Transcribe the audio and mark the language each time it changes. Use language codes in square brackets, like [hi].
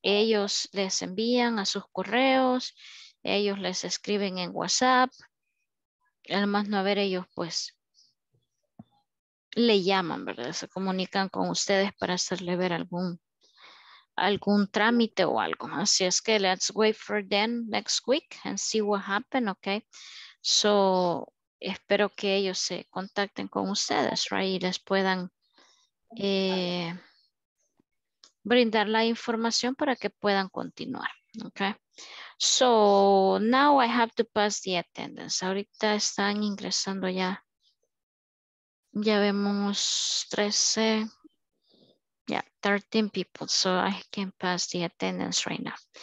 [es] Ellos les envían a sus correos, ellos les escriben en WhatsApp. Además, no, a ver, ellos pues le llaman, ¿verdad? Se comunican con ustedes para hacerle ver algún trámite o algo. Así es que [en] let's wait for them next week and see what happened, okay? [es] So, espero que ellos se contacten con ustedes, right? Y les puedan brindar la información para que puedan continuar, okay? [en] So, now I have to pass the attendance. [es] Ahorita están ingresando ya. Ya vemos 13... [en] Yeah, 13 people, so I can pass the attendance right now.